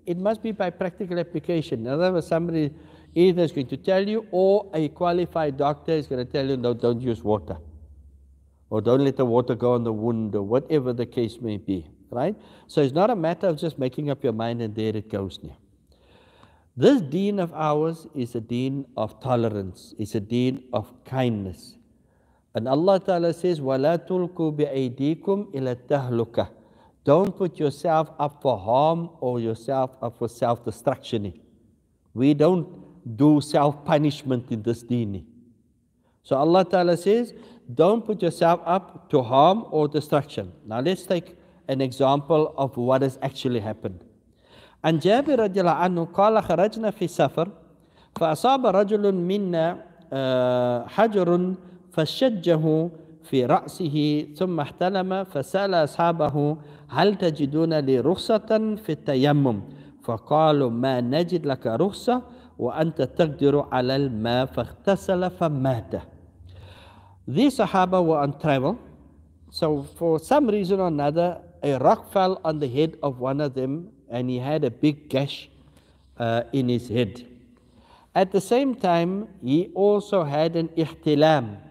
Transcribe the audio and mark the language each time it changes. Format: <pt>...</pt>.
<en>It must be by practical application. In other words, somebody either is going to tell you or a qualified doctor is going to tell you, no, don't use water. Or don't let the water go on the wound or whatever the case may be, right? So it's not a matter of just making up your mind and there it goes now. This deen of ours is a deen of tolerance, it's a deen of kindness. And Allah Ta'ala says,</en> <ar>وَلَا تُلْكُوا بِأَيْدِيكُمْ إِلَى التَّهْلُكَ.</ar> <en>Don't put yourself up for harm or yourself up for self-destruction. We don't do self-punishment in this deen. So Allah Ta'ala says, don't put yourself up to harm or destruction. Now let's take an example of what has actually happened.</en> <ar>عن جابر رضي الله عنه قال خرجنا في سفر فأصاب رجل منا حجر فشجه في رأسه ثم احتلم فسأل أصحابه هل تجدون لي رخصة في التيمم فقالوا ما نجد لك رخصة وأنت تقدر على الماء فاغتسل فمات.</ar> <en>These Sahaba were on travel, so for some reason or another a rock fell on the head of one of them and he had a big gash in his head. At the same time, he also had an ihtilam.</en>